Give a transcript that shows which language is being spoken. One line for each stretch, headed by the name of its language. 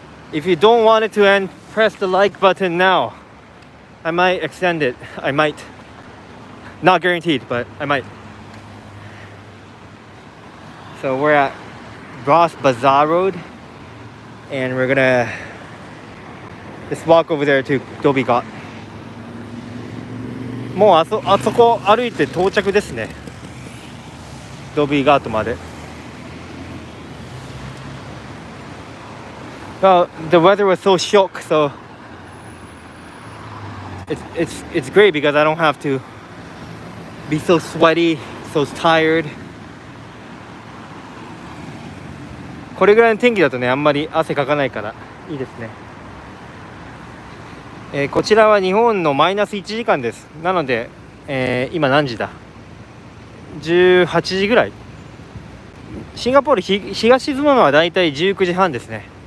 English: If you don't want it to end, press the like button now. I might extend it. I might. Not guaranteed, but I might. So we're at Ross Bazaar Road and we're gonna Just walk over there to Dhoby Ghaut.
Japanese: もうあそこ歩いて到着ですね。 Dhoby Ghaut まで。
English: Well, the weather was so shock, so it's great because I don't have to be so sweaty, so tired.
Japanese: これぐらいの天気だとね、あんまり汗かかないからいいですね。こちらは日本のマイナス1時間です。なので、今何時だ ?18 時ぐらい。シンガポール日が沈むのはだいたい19時半ですね。